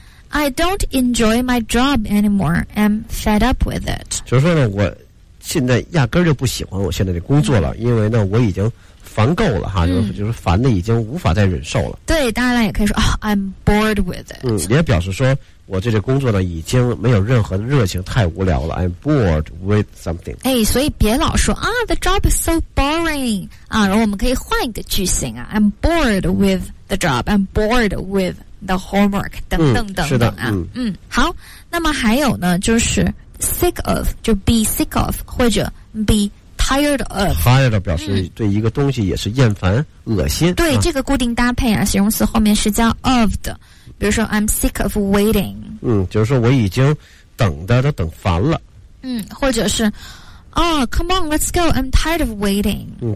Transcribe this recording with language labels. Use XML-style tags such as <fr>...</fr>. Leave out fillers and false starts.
<en>I don't enjoy my job anymore， I'm fed up with it，</en> <zh>就是说呢我现在压根就不喜欢我现在的工作了，因为呢我已经烦够了哈，就是烦的已经无法再忍受了。对，当然也可以说</zh> <en>I'm bored with it。</en> <zh>也表示说我对这工作呢已经没有任何的热情，太无聊了。</zh> <en>I'm bored with something。</en> <zh>所以别老说啊 ，</zh> <en>the job is so boring</en> <zh>啊，然后我们可以换一个句型啊 ，</zh> <en>I'm bored with the job， I'm bored with the homework</en> <zh>等等啊。好，那么还有呢，就是 sick of， 就 be sick of 或者 be。</zh> <en>Tired</en> <zh>of 表示对一个东西也是厌烦、恶心。对，这个固定搭配啊，形容词后面是加 of 的。比如说</zh> <en>I'm sick of waiting。</en> <zh>就是说我已经等的都等烦了。或者是</zh> <en>come on, let's go, I'm tired of waiting。</en>